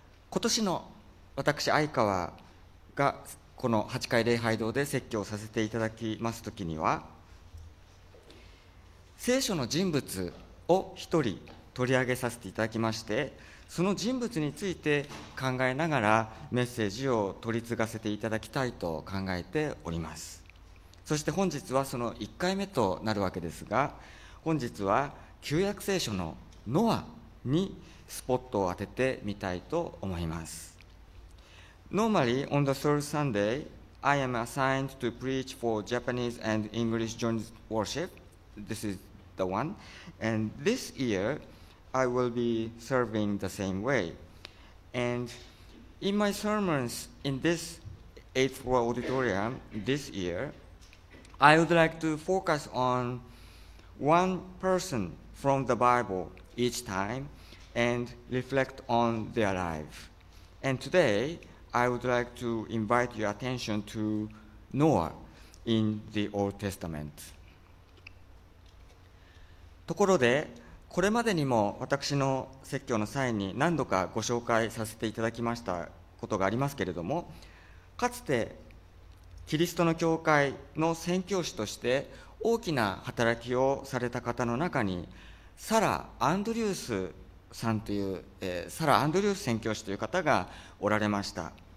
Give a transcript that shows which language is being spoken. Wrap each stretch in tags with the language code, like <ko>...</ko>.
<ja>今年の私相川がこの八戒礼拝堂で説教させていただきますときには、聖書の人物を一人取り上げさせていただきまして、その人物について考えながらメッセージを取り継がせていただきたいと考えております。そして本日はその1回目となるわけですが、本日は旧約聖書のノアにスポットを当ててみたいと思います。</ja> <en>Normally on the third Sunday I am assigned to preach for Japanese and English joint worship. This is the one. And this year I will be serving the same way. And in my sermons in this 8th floor auditorium this year, I would like to focus on one person from the Bible each time and reflect on their life. And today, I would like to invite your attention to Noah in the Old Testament.</en> <ja>ところで、これまでにも私の説教の際に何度かご紹介させていただきましたことがありますけれども、かつてキリストの教会の宣教師として大きな働きをされた方の中に、サラ・アンドリュースさんという、サラ・アンドリュース宣教師という方がおられました。</ja>